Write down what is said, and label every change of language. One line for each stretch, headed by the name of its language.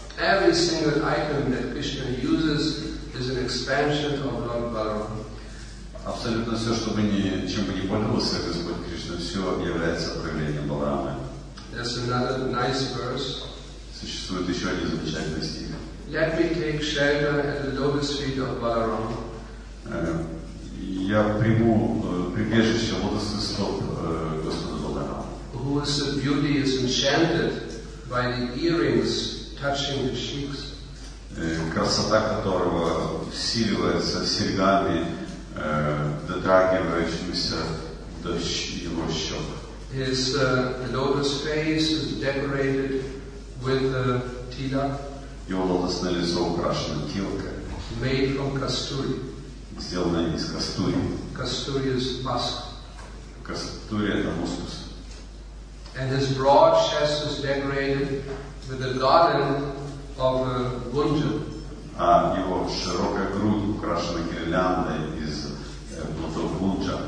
English: Every single item that Krishna uses is an expansion of Lord Balaram.
Russian: Абсолютно все, чем бы ни пользовался Господь Кришна, все является проявлением Баларамы.
English: There's another nice verse.
Russian: Существует еще один замечательный стих.
English: Let me take shelter at the lotus feet of Balaram.
Russian: Я приму прибежище лотосных стоп Господа Баларама.
English: Whose beauty is enchanted by the earrings touching the cheeks.
Russian: Красота которого усиливается серьгами, дотрагивающимися до его щек.
English: His lotus face is decorated with tila.
Russian: Его лотосное лицо украшено тилкой.
English: Made from kasturi.
Russian: Сделано из кастури.
English: Kasturi is musk.
Russian: Кастури это мускус.
English: And his broad chest is decorated with the garland of gunja.
Russian: А его широкая грудь украшена гирляндой из плодов гунджа.